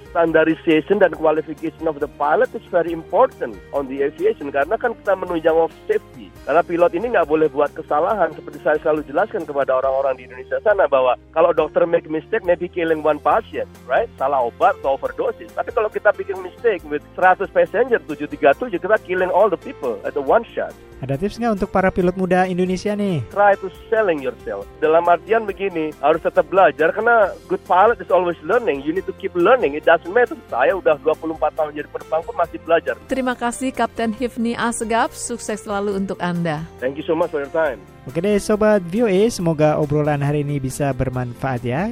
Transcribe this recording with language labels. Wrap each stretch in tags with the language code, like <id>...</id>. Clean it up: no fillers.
<en>Standardization dan qualification of the pilot is very important on the aviation</en> <id>karena kan kita menunjang</id> <en>of safety.</en> <id>Karena pilot ini nggak boleh buat kesalahan, seperti saya selalu jelaskan kepada orang-orang di Indonesia sana, bahwa kalau dokter</id> <en>make mistake, maybe killing one patient, right?</en> <id>Salah obat atau overdosis. Tapi kalau kita bikin</id> <en>mistake with 100 passenger, 737, kita killing all the people at one shot.</en> <id>Ada tips nggak untuk para pilot muda Indonesia nih?</id> <en>Try to selling yourself.</en> <id>Dalam artian begini, harus tetap belajar, karena</id> <en>good pilot is always learning. You need to keep learning. It doesn't matter.</en> <id>Saya udah 24 tahun jadi penerbang pun masih belajar. Terima kasih Kapten Hifni Asgaf. Sukses selalu untuk Anda. Anda.</id> <en>Thank you so much for your time.</en> <id>Oke deh Sobat VOA, semoga obrolan hari ini bisa bermanfaat ya.</id>